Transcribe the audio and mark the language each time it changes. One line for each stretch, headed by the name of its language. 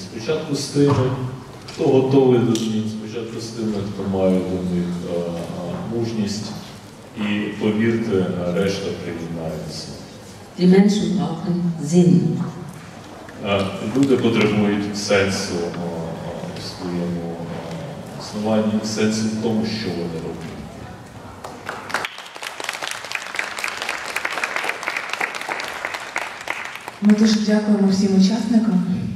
Ukrainian: Спочатку з тими, хто готовий до змін, спочатку з тими, хто має до них мужність. І повірте, решта приєднається.
German: Die Menschen brauchen Sinn.
Ukrainian: Люди потребують сенсу в своєму існування в сенсі в тому, що вони роблять. Ми дуже дякуємо всім учасникам.